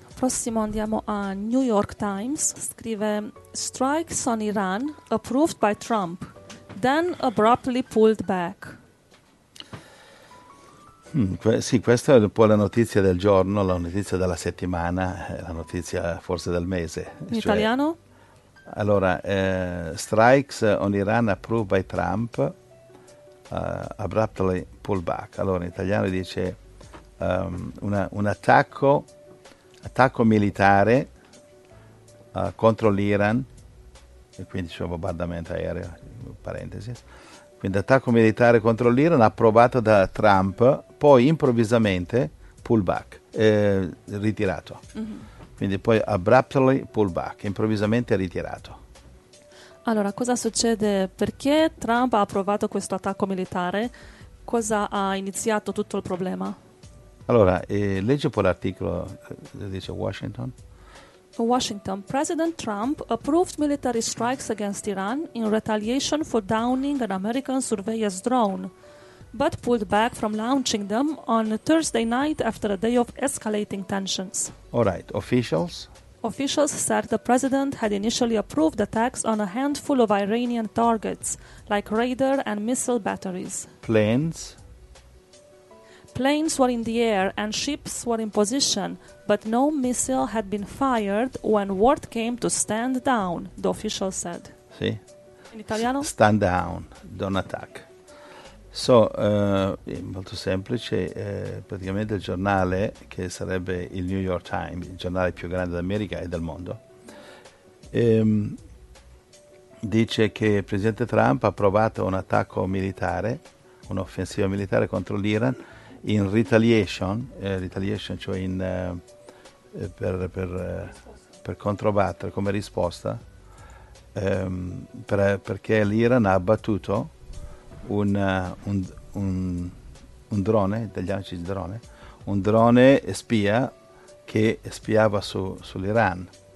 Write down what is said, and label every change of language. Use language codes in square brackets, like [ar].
[it] prossimo andiamo a New York Times, scrive: [en] strikes on Iran approved by Trump, then abruptly pulled back. [it] Sì, questa è un po' la notizia del giorno, la notizia della settimana, la notizia forse del mese. In italiano? [en] Allora, strikes on Iran approved by Trump, abruptly pulled back. [it] Allora, in italiano dice un attacco militare contro l'Iran, e quindi c'è un bombardamento aereo, parentesi. Quindi attacco militare contro l'Iran approvato da Trump, poi improvvisamente [en] pull back, [it] ritirato. Mm-hmm. Quindi poi [en] abruptly pull back, [it] improvvisamente ritirato. Allora, cosa succede? Perché Trump ha approvato questo attacco militare? Cosa ha iniziato tutto il problema? Allora, legge un po' l'articolo, dice Washington. [en] Washington: President Trump approved military strikes against Iran in retaliation for downing an American surveillance drone, but pulled back from launching them on Thursday night after a day of escalating tensions. All right, officials? Officials said the president had initially approved attacks on a handful of Iranian targets, like radar and missile batteries. Planes? Planes were in the air and ships were in position, but no missile had been fired when word came to stand down, the official said. [it] Sì. In italiano? [en] Stand down, don't attack. [it] So, molto semplice, praticamente il giornale, che sarebbe il New York Times, il giornale più grande d'America e del mondo, dice che il presidente Trump ha approvato un attacco militare, un'offensiva militare contro l'Iran, in retaliation, retaliation cioè in per controbattere, come risposta, perché l'Iran ha abbattuto un drone, italiani drone, un drone spia che spiava sull'Iran.